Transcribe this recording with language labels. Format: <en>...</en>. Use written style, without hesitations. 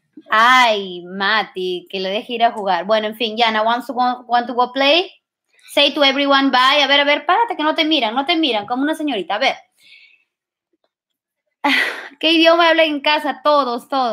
<es>Ay, Mati, que le deje ir a jugar. Bueno, en fin,</es> <en>Jenna, want to go play? Say to everyone bye.</en> <es>A ver, párate que no te miran, como una señorita. A ver. ¿Qué idioma habla en casa? Todos.</es>